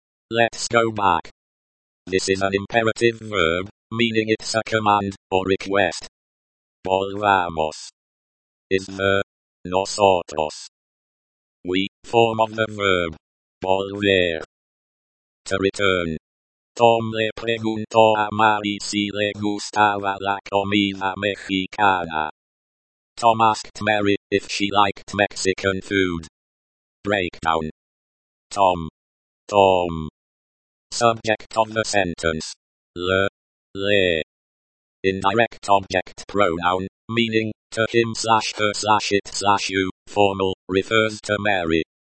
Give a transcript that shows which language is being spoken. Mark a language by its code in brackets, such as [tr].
[en] Let's go back. This is an imperative verb, meaning it's a command or request. [es] Volvamos [en] is the nosotros we form of the verb volver, to return. [es] Tom le preguntó a Mari si le gustaba la comida mexicana. [en] Tom asked Mary if she liked Mexican food. Breakdown. Tom. Subject of the sentence. [es] Le. [en] Indirect object pronoun, meaning to him slash her slash it slash you, formal, refers to Mary.